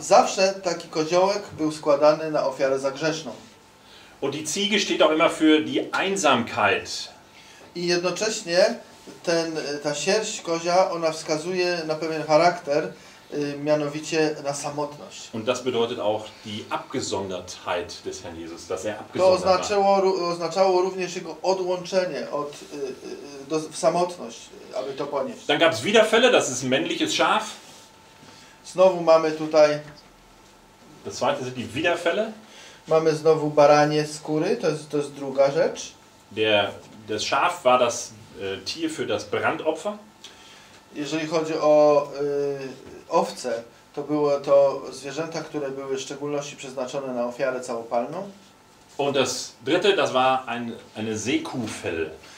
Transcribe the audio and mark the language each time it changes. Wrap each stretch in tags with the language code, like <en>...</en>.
<pl>Zawsze taki koziołek był składany na ofiarę za grzeszną.</pl> <de>Und die Ziege steht auch immer für die Einsamkeit.</de> <pl>I jednocześnie ta sierść kozia, ona wskazuje na pewien charakter, mianowicie na samotność.</pl> <de>Und das bedeutet auch die Abgesondertheit des Herrn Jesus, dass er abgesondert war.</de> <pl>To oznaczało również jego odłączenie od w samotność, aby to ponieść.</pl> <de>Dann gab es wieder Fälle, das ist ein männliches Schaf.</de> <pl>Znowu mamy tutaj.</pl> <de>Das zweite sind die Widerfälle.</de> <pl>Mamy znowu baranie skóry, to jest druga rzecz.</pl> <de>Das Schaf war das Tier für das Brandopfer.</de> <pl>Jeżeli chodzi o owce, to były to zwierzęta, które były w szczególności przeznaczone na ofiarę całopalną.</pl> <de>Und das dritte, das war eine Seekuhfell.</de>